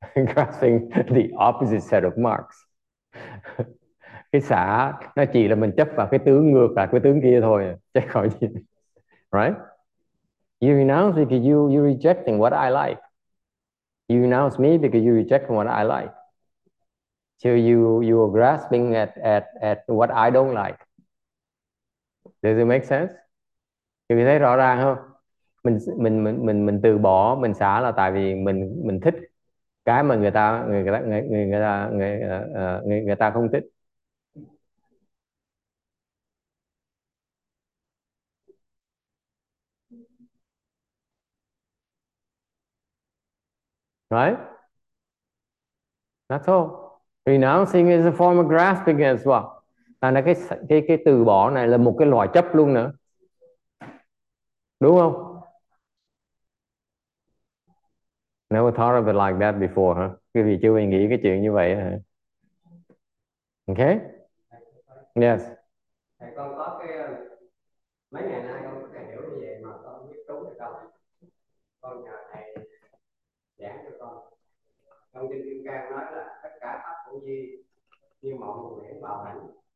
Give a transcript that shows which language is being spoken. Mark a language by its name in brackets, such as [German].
[English] Grasping the opposite set of marks. [Vietnamese] Cái xả nó chỉ là mình chấp vào cái tướng ngược lại cái tướng kia thôi, chắc khỏi gì. [English] Right? You renounce because you're rejecting what I like. You renounce me because you reject what I like. So you are grasping at what I don't like. Does it make sense? [Vietnamese] Thì mình thấy rõ ràng không? Mình từ bỏ, mình xả là tại vì mình thích cái mà người ta không thích. [English] Right? That's all. Renouncing is a form of grasping as well. [Vietnamese] Thành ra cái từ bỏ này là một cái loại chấp luôn nữa. Đúng không? [English] Never thought of it like that before, hả? [Vietnamese] Quý vị chưa nghĩ cái chuyện như vậy hả? [English] Okay? Yes. [Vietnamese] Thầy con có cái mấy ngày nay con có thể hiểu như vậy mà con biết trúng hay không? Con nhờ thầy giảng cho con. Trong Kinh Kim Cang nói là tất cả pháp hữu vi như mộng huyễn bào ảnh.